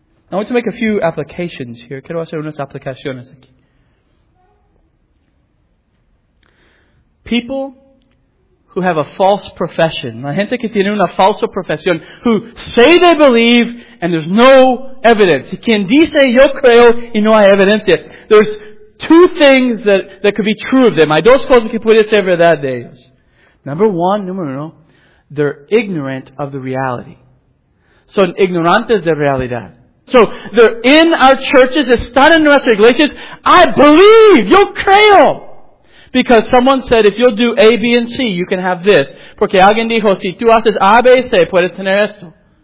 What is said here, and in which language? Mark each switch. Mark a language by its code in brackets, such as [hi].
[en] I want to make a few applications here. [es] Quiero hacer unas aplicaciones aquí. [en] People who have a false profession, [es] la gente que tiene una falsa profesión, [en] who say they believe and there's no evidence. [es] Quien dice yo creo y no hay evidencia. [en] There's 2 things that could be true of them. [es] Hay 2 cosas que puede ser verdad de ellos. Número uno, [en] they're ignorant of the reality. [es] Son ignorantes de realidad. [en] So, they're in our churches, [es] están en nuestras iglesias. [en] I believe, [es] yo creo. [en] Because someone said, if you'll do A, B, and C, you can have this. [es] Porque alguien dijo, si tú haces A, B, C, puedes tener esto.